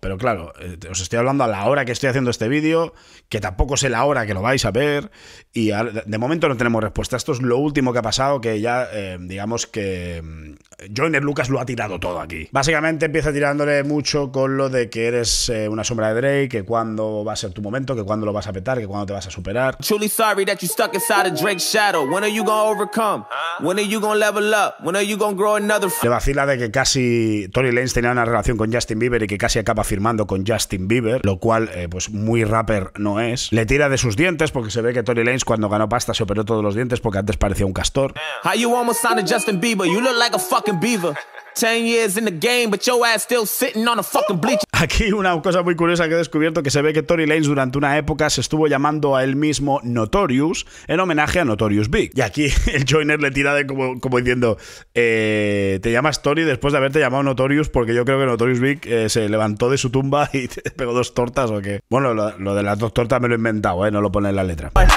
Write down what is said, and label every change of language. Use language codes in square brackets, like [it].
[es] Pero claro, os estoy hablando a la hora que estoy haciendo este vídeo, que tampoco sé la hora que lo vais a ver, y de momento no tenemos respuesta. Esto es lo último que ha pasado, que ya, digamos que Joyner Lucas lo ha tirado todo aquí. Básicamente empieza tirándole mucho con lo de que eres una sombra de Drake, que cuándo va a ser tu momento, que cuándo lo vas a petar, que cuándo te vas a superar. [en] Truly sorry that you stuck inside of Drake's shadow. When are you gonna overcome? When are you gonna level up? When are you gonna grow another [es] le vacila de que casi Tory Lanez tenía una relación con Justin Bieber y que casi acaba firmando con Justin Bieber, lo cual, pues muy rapper no es. Le tira de sus dientes porque se ve que Tory Lanez cuando ganó pasta se operó todos los dientes porque antes parecía un castor. [en] How you almost signed to Justin Bieber? You look like a fucking beaver. 10 years in the game, but your ass still sitting on a fucking bleacher. [es] Aquí una cosa muy curiosa que he descubierto, que se ve que Tory Lanez durante una época se estuvo llamando a él mismo Notorious en homenaje a Notorious B.I.G. Y aquí el Joyner le tira de como diciendo, te llamas Tory después de haberte llamado Notorious, porque yo creo que Notorious B.I.G. Se levantó de su tumba y te pegó dos tortas o qué. Bueno, lo de las dos tortas me lo he inventado, no lo pone en la letra.